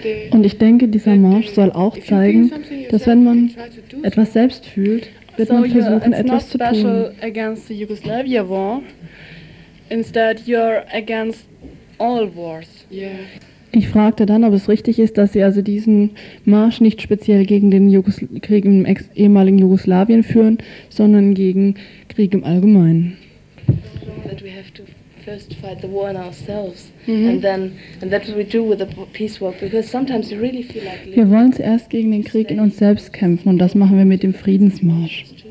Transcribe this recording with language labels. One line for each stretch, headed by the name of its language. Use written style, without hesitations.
German: Und ich denke, dieser Marsch soll auch zeigen, dass wenn man etwas selbst fühlt, wird man versuchen, etwas zu tun.
English: It's not special against the Yugoslavia war. Instead, you're against all wars. Yeah.
German: Ich fragte dann, ob es richtig ist, dass sie also diesen Marsch nicht speziell gegen den Krieg im ehemaligen Jugoslawien führen, sondern gegen Krieg im Allgemeinen.
English: That we have to first fight the war in ourselves, and that's what we do with the peace work, because sometimes you really feel like.
German: Wir wollen zuerst gegen den Krieg in uns selbst kämpfen und das machen wir mit dem Friedensmarsch.